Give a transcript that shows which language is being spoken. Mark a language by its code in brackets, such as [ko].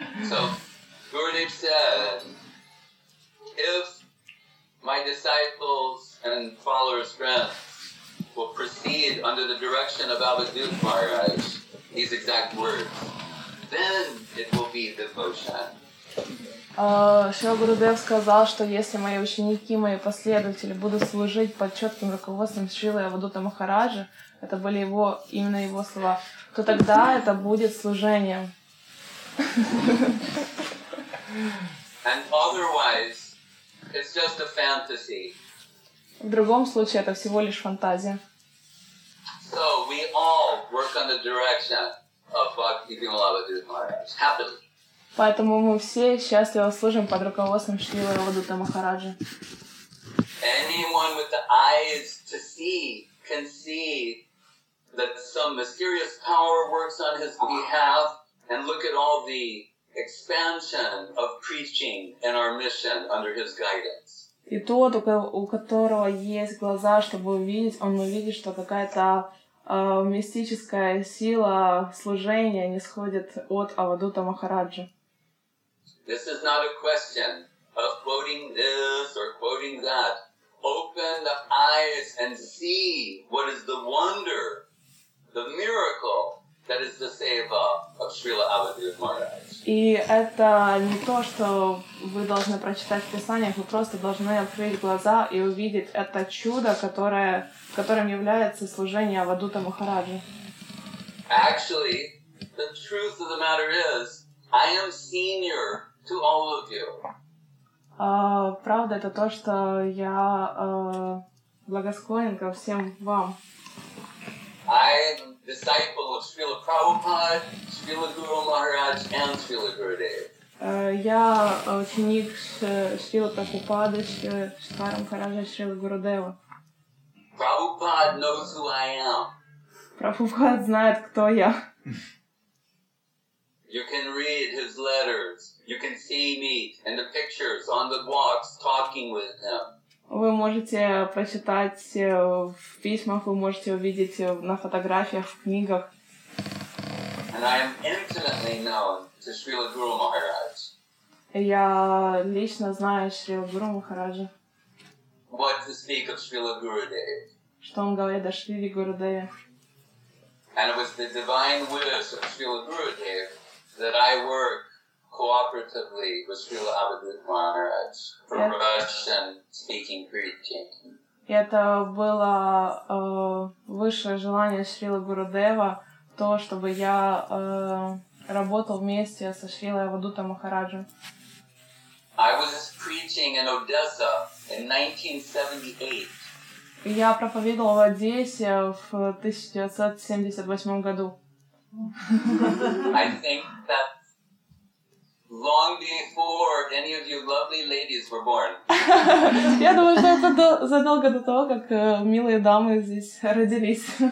[en] So, Gurudev said, if my disciples and followers, friends, will proceed under the direction of Abhidhut Maharaj, these exact words, then it will be devotion. [ru] Шрила Гурудев сказал, что если мои ученики, мои последователи будут служить под четким руководством Шрилы Абхидхута Махараджа, это были его, именно его слова, то тогда это будет служением. [en] And otherwise, it's just a fantasy. [ru] В другом случае, это всего лишь фантазия. [en] So we all work on the direction of Bhakti Vimala Abhidhut Maharaj. Happily. [ru] Поэтому мы все счастливо служим под руководством Шрилы Абхидхута Махараджа. [en] Anyone with the eyes to see can see that some mysterious power works on his behalf, and look at all the expansion of preaching in our mission under his guidance. [ru] И тот, у которого есть глаза, чтобы увидеть, он увидит, что какая-то мистическая сила служения нисходит от Абхидхута Махараджа. [en] This is not a question of quoting this or quoting that. Open the eyes and see what is the wonder, the miracle that is the seva of Srila Abhidhut Maharaj. [ru] И это не то, что вы должны прочитать в писаниях, вы просто должны открыть глаза и увидеть это чудо, которым является служение Абхидхута Махараджа. [en] Actually, the truth of the matter is, I am senior to all of you. [ru] Правда, это то, что я благосклонен ко всем вам. [en] I am disciple of Srila Prabhupada, Srila Guru Maharaj, and Srila Gurudev. [ru] Я ученик Шрилы Прабхупады, Шри Махараджа Шрилы Гурудева. [en] Прабхупад knows who I am. [ru] Прабхупад знает, кто я. [en] You can read his letters. You can see me in the pictures on the walks talking with him. [ru] Вы можете прочитать в письмах, вы можете увидеть на фотографиях, в книгах. [en] And I am intimately known to Srila Guru Maharaj. [ru] Я лично знаю Шрилу Гуру Махараджа. [en] What to speak of Srila Gurudev? [ru] Что он говорит о Шриле Гурудеве? [en] And it was the divine wishes of Srila Gurudev that I work cooperatively with Srila Abhidhut Maharaj for Russian speaking preaching. [ru] Это было высшее желание Шрилы Гурудева, то, чтобы я работал вместе со Шрилой Абхадутой Махараджем. [en] I was preaching in Odessa in 1978. [ru] Я проповедовал в Одессе в 1978 году. [en] I think that long before any of you lovely ladies were born. [ru] Я думаю, что это задолго до того, как милые дамы здесь родились.